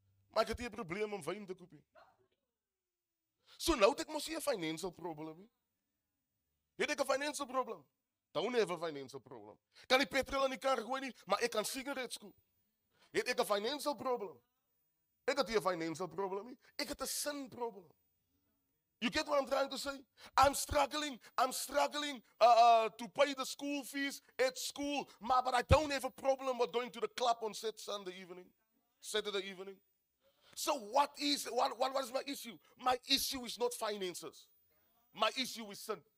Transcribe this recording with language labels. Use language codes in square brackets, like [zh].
[af] Maar ek het 'n probleem om wyn te koop. [en] So now that must be a financial problem. [af] Het ek 'n financial problem? [en] Don't have a financial problem. [af] Kan die petrol in die kar gooi nie, maar ek kan sigarette skoop. Het ek 'n financial problem? Ek het nie 'n financial problem nie. Ek het 'n sin problem. [en] You get what I'm trying to say? I'm struggling to pay the school fees at school, but I don't have a problem with going to the club on Saturday evening. So what is my issue? My issue is not finances. My issue is sin.